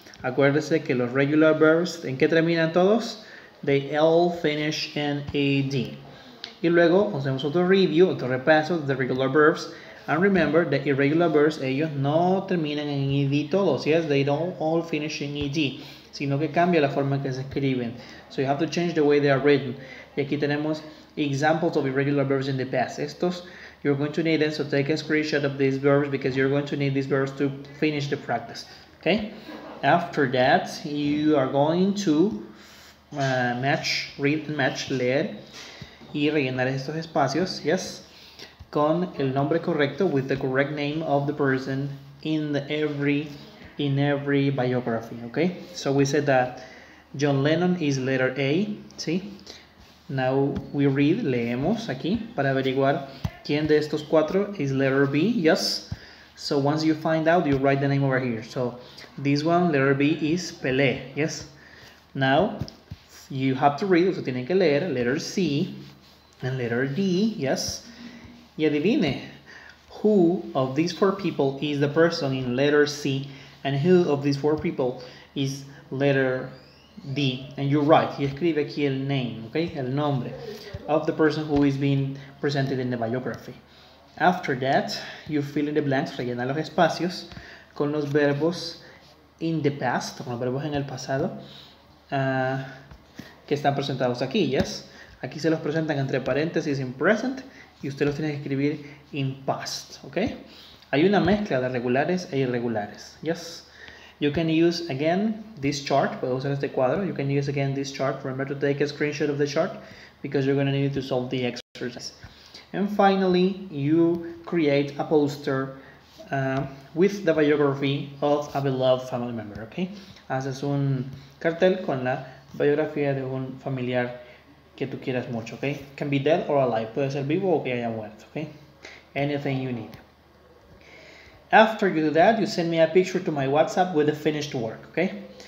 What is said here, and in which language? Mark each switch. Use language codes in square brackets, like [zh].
[es] Acuérdese que los regular verbs, ¿en qué terminan todos? [en] They all finish in ed. [es] Y luego hacemos otro review, otro repaso de [en] the regular verbs. And remember, the irregular verbs, [es] ellos no terminan en ed todos. [en] Yes, they don't all finish in ed. [es] Sino que cambia la forma en que se escriben. [en] So you have to change the way they are written. [es] Y aquí tenemos [en] examples of irregular verbs in the past. Estos, you're going to need them. So take a screenshot of these verbs because you're going to need these verbs to finish the practice. Okay? After that, you are going to match, read and match, [es] leer y rellenar estos espacios, [en] yes, [es] con el nombre correcto, [en] with the correct name of the person in every biography, okay? So we said that John Lennon is letter A, ¿sí? Now we read, [es] leemos aquí para averiguar quién de estos cuatro [en] is letter B, yes. So once you find out, you write the name over here. So this one, letter B, is Pelé, yes? Now, you have to read, so [es] tienen que leer, [en] letter C and letter D, yes? [es] Y adivine, [en] who of these four people is the person in letter C and who of these four people is letter D? And you write, [es] y escribe aquí el name, [en] okay? [es] El nombre [en] of the person who is being presented in the biography. After that, you fill in the blanks, [es] rellena los espacios con los verbos [en] in the past, [es] con los verbos en el pasado, que están presentados aquí, ¿yes? Aquí se los presentan entre paréntesis [en] in present [es] y usted los tiene que escribir [en] in past, [es] ¿ok? Hay una mezcla de regulares e irregulares, ¿yes? You can use again this chart, puedo usar este cuadro, you can use again this chart, remember to take a screenshot of the chart because you're going to need to solve the exercise. [en] And finally, you create a poster with the biography of a beloved family member, okay? [es] Haces un cartel con la biografía de un familiar que tú quieras mucho, okay? [en] Can be dead or alive, [es] puede ser vivo o que haya muerto, [en] okay? Anything you need. After you do that, you send me a picture to my WhatsApp with the finished work, okay?